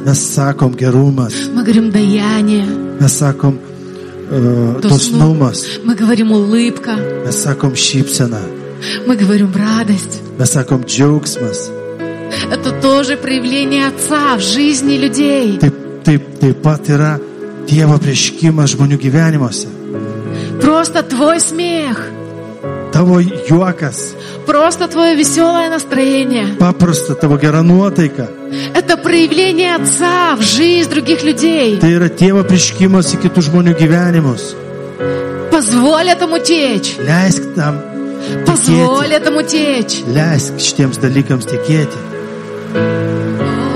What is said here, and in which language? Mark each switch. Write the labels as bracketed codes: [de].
[lt] Mes sakom gerumas. [ru] Мы говорим даяние. [lt] Mes sakom dosnumas. [ru] Мы говорим улыбка. [lt] Mes sakom šypsena. [ru] Мы говорим радость. [lt] Mes sakom džiaugsmas. [ru] Это тоже проявление Отца в жизни людей. [lt] Taip pat yra Dievo prieškimas žmonių gyvenimuose. [ru] Просто твой смех. [lt] Tavo juokas. [ru] Просто твое веселое настроение. [lt] Paprasta tavo gera nuotaika. [ru] Это проявление Отца в жизнь других людей. [lt] Tai yra Dievo prieškimas į kitų žmonių gyvenimus. [ru] Позволь этому течь. [lt] Leisk tam [ru] Позволь текеть. Этому течь. [lt] Leisk šitiems dalykams tekėti.